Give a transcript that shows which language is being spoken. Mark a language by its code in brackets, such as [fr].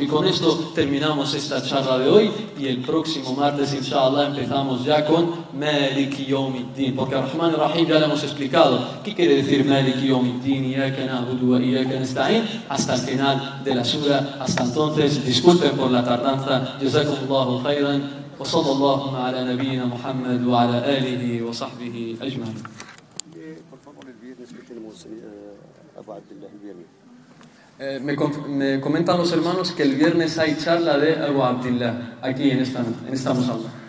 [es] Y con esto terminamos esta charla de hoy y el próximo martes, inshallah, empezamos ya con Malik Yawm al-Din. Porque Ar-Rahman Ar-Rahim ya lo hemos explicado. ¿Qué quiere decir Malik Yawm al-Din? [ar] Iyyaka na'budu wa iyyaka nasta'in. [es] Hasta el final de la sura. Hasta entonces, disculpen por la tardanza. Jazakumullahu khairan. [ar] وصلى الله على نبينا محمد وعلى آله وصحبه أجمعين. [es] Me comentan los hermanos que el viernes hay charla de Abu Abdillah aquí en esta musala.